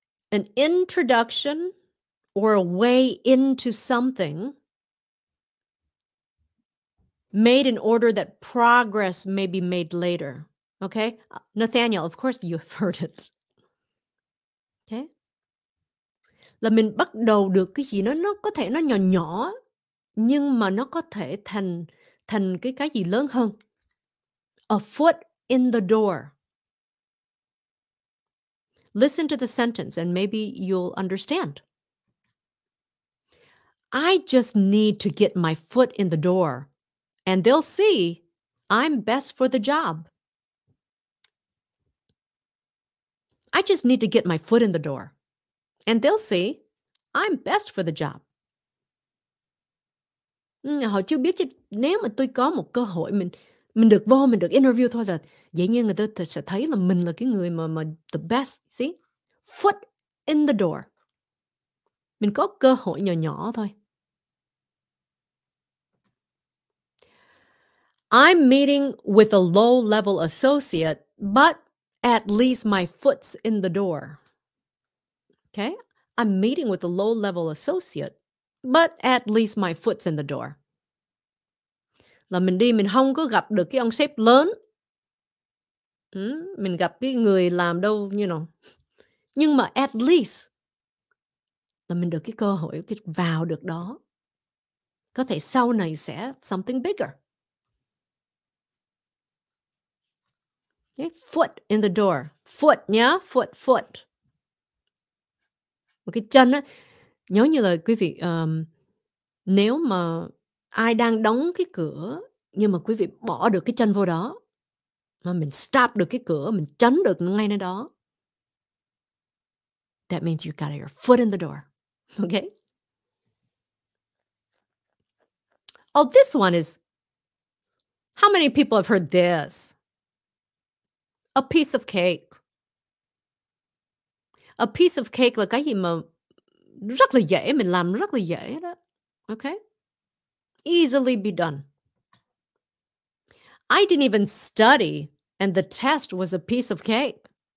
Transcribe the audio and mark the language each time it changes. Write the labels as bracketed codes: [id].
[en] An introduction or a way into something made in order that progress may be made later. Okay? Nathaniel, of course you have heard it. Okay? [vi] Là mình bắt đầu được cái gì nó có thể nó nhỏ nhỏ, nhưng mà nó có thể thành cái gì lớn hơn. [en] A foot in the door. Listen to the sentence and maybe you'll understand. I just need to get my foot in the door and they'll see I'm best for the job. I just need to get my foot in the door and they'll see I'm best for the job. [vi] Họ chưa biết chứ nếu mà tôi có một cơ hội mình được vô, mình được interview thôi là dĩ nhiên người ta sẽ thấy là mình là cái người mà [en] the best, see? Foot in the door. [vi] Mình có cơ hội nhỏ nhỏ thôi. [en] I'm meeting with a low-level associate, but at least my foot's in the door. Okay? I'm meeting with a low-level associate, but at least my foot's in the door. [vi] Là mình đi, mình không có gặp được cái ông sếp lớn. Mình gặp cái người làm đâu, [en] you know. [vi] Nhưng mà [en] at least [vi] là mình được cái cơ hội vào được đó. Có thể sau này sẽ [en] something bigger. Okay, foot in the door. Foot, nhá. Yeah? Foot, foot. [vi] Một cái chân á. Nhớ như là quý vị, nếu mà ai đang đóng cái cửa, nhưng mà quý vị bỏ được cái chân vô đó, mà mình stop được cái cửa, mình chấn được ngay nơi đó. [en] That means you got your foot in the door. Okay? Oh, this one is, how many people have heard this? A piece of cake. [vi] A piece of cake là cái gì mà rất là dễ, mình làm rất là dễ đó. [en] Okay? Easily be done. I didn't even study and the test was a piece of cake.